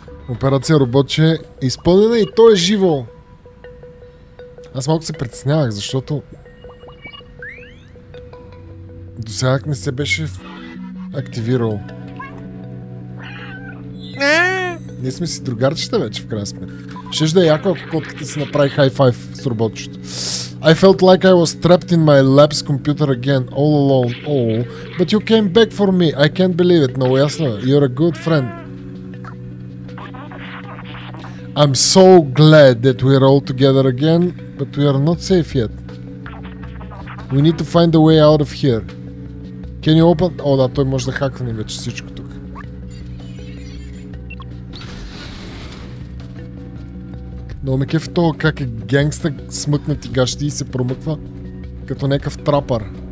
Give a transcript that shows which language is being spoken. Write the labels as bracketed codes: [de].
[bg] Операция Роботче е изпълнена и то е живо. Аз малко се притеснявах, защото до сега не се беше активирал. Ние сме си другарчета вече, в крайна сметка. Щеш да е яко, ако котката си направи хай-файв с роботчето. [en] I felt like I was trapped in my lab's computer again, all alone, all. But you came back for me, I can't believe it. [bg] Много ясно, [en] you're a good friend. I'm so glad that we're all together again, but we are not safe yet. We need to find a way out of here. Can you open? [bg] О, да, той може да хакне вече всичко тук. Но ме кефи то как е генгста смъкнат и гащи и се промъква като някакъв трапър.